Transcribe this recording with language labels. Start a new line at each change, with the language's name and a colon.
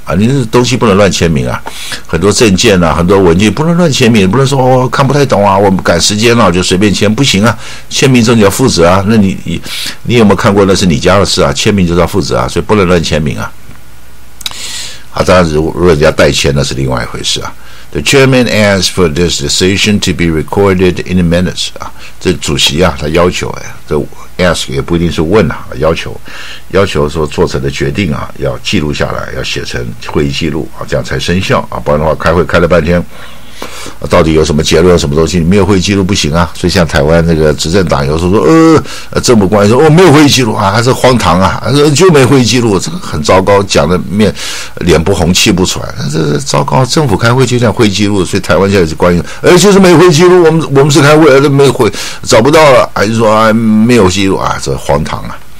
Chinese: 啊，你这东西不能乱签名啊，很多证件啊，很多文件不能乱签名，不能说，哦，看不太懂啊，我们赶时间了，啊，就随便签，不行啊！签名之后你要负责啊！那你有没有看过？那是你家的事啊，签名就是要负责啊，所以不能乱签名啊！啊，当然，如果人家代签，那是另外一回事啊。
English: The chairman asked for this decision to be recorded in the minutes.
Chinese: 啊，这主席啊，他要求，哎，这 ask 也不一定是问啊，要求说做成的决定啊，要记录下来，要写成会议记录啊，这样才生效啊，不然的话，开会开了半天，啊，到底有什么结论，什么东西，你没有会议记录不行啊。所以像台湾那个执政党有时候说，政府官员说，哦，没有会议记录啊，还是荒唐啊，就没会议记录，这个很糟糕，讲的面脸不红气不喘，这是糟糕，政府开会就讲会议记录，所以台湾现在是官员，就是没会议记录，我们是开会，没会找不到了，还是说，哎，没有记录啊，这荒唐啊。